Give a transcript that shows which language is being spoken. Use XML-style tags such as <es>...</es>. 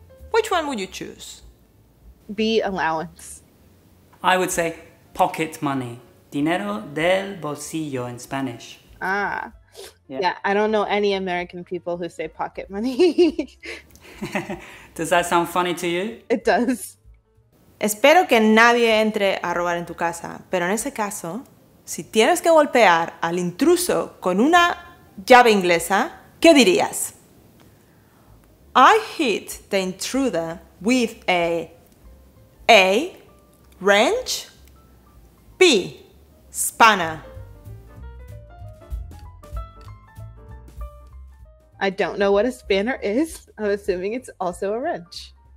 <en>Which one would you choose? B, allowance. I would say pocket money,</en> <es>dinero del bolsillo</es> <en>in Spanish. Ah, yeah, I don't know any American people who say pocket money. Does that sound funny to you? It does.</en> <es>Espero que nadie entre a robar en tu casa, pero en ese caso, si tienes que golpear al intruso con una llave inglesa, ¿qué dirías?</es> <en>I hit the intruder with a wrench, b spanner. I don't know what a spanner is. I'm assuming it's also a wrench.</en>